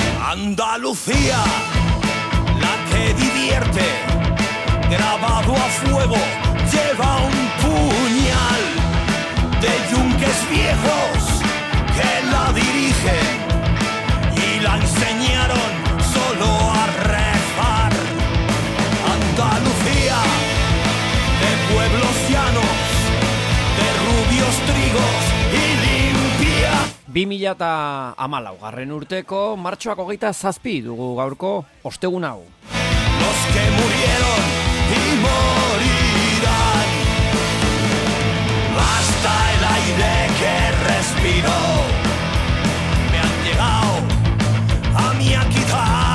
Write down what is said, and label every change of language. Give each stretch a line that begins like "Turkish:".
Spanish: Andalucía, la que divierte, grabado a fuego, lleva un puñal de yunques viejos que la dirigen y la enseñaron solo a rezar. Andalucía, de pueblos llanos, de rubios trigos y limpia.
Basque: 2014 urteko martxoak 27 dugu gaurko ostegun hau.
Spanish: Los que murieron y morirán. Basta el aire que respiro. Me han llegado a mi akita.